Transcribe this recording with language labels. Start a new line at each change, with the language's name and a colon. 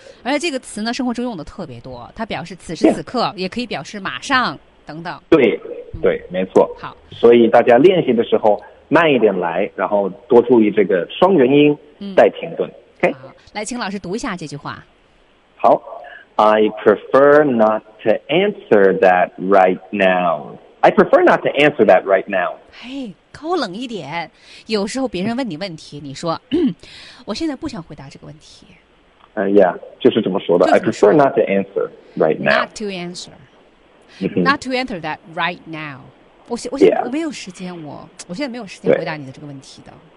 Chinese: 而且这个词呢，生活中用的特别多，它表示此时此刻， yeah， 也可以表示马上等等。对，对，没错。好，所以大家练习的时候慢一点来，然后多注意这个双元音带停顿。
English: OK，
Chinese: 来，请老师读一下这句话。
English: 好 ，I prefer not to answer that right now. I prefer not to answer that right now.
Chinese: 嘿。高冷一点，有时候别人问你问题，你说我现在不想回答这个问题。
English: Yeah，
Chinese: 就是这么说的。
English: I prefer not to answer right now. Not to answer. Not to answer that right now.
Chinese: 我现在，yeah， 没有时间，我现在没有时间回答你的这个问题的。